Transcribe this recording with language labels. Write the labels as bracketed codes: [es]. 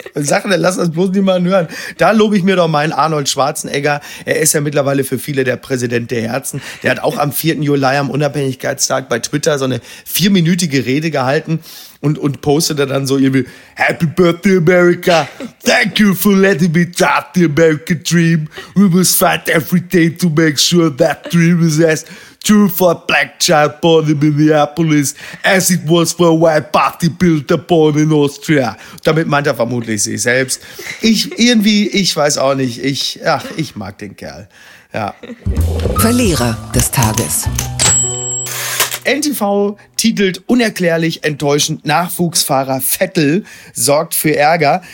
[de] Sache, lass das bloß niemanden hören. Da lobe ich mir doch meinen Arnold Schwarzenegger. Er ist ja mittlerweile für viele der Präsident der Herzen. Der hat auch am 4. Juli am Unabhängigkeitstag bei Twitter so eine vierminütige Rede gehalten und postete dann so irgendwie [en] Happy Birthday America, thank you for letting me start the American dream. We must fight every day to make sure that dream is as true for a black child born in Minneapolis, as it was for a white bodybuilder born in Austria. [de] Damit meint er vermutlich sich selbst. Ich weiß auch nicht. Ich mag den Kerl. Ja. Verlierer des Tages. NTV titelt unerklärlich enttäuschend, Nachwuchsfahrer Vettel sorgt für Ärger.